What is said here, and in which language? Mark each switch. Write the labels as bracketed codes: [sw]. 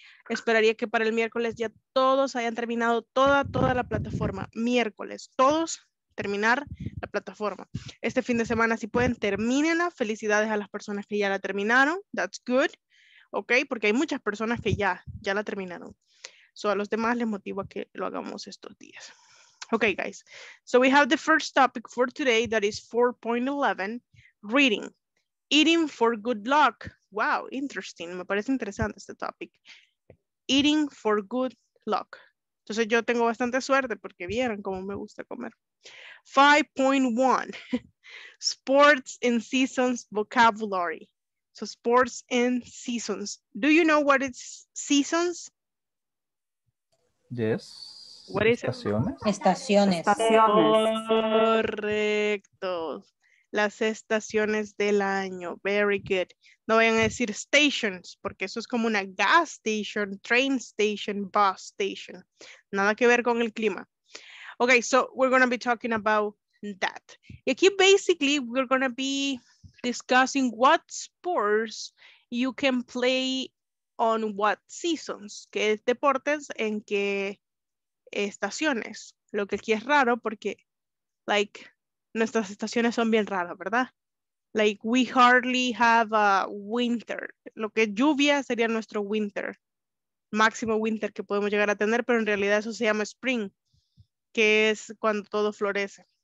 [es] Esperaría que para el miércoles ya todos hayan terminado toda la plataforma. Miércoles, todos terminar la plataforma. Este fin de semana, si pueden, termínenla. Felicidades a las personas que ya la terminaron. [en] That's good. [es] Ok, porque hay muchas personas que ya la terminaron. So, a los demás les motivo a que lo hagamos estos días. [en] Okay, guys, so we have the first topic for today, that is 4.11, reading. Eating for good luck. Wow, interesting. [es] Me parece interesante este topic. [en] Eating for good luck. [es] Entonces yo tengo bastante suerte porque vieron cómo me gusta comer. 5.1, [en] Sports and seasons vocabulary. So sports and seasons. Do you know what it's seasons? Yes. What is [es] estaciones? [en] It? [es] Estaciones. Estaciones. Correcto. Las estaciones del año. [en] Very good. [es] No vayan a decir stations, porque eso es como una [en] gas station, train station, bus station. [es] Nada que ver con el clima. [en] Okay, so we're going to be talking about that. [es] Y aquí [en] basically we're going to be discussing what sports you can play on what seasons. [es] ¿Qué deportes en qué estaciones? Lo que aquí es raro porque, like, nuestras estaciones son bien raras, ¿verdad? [en] Like, we hardly have a winter. [es] Lo que es lluvia sería nuestro winter. Máximo winter que podemos llegar a tener, pero en realidad eso se llama spring, que es cuando todo florece.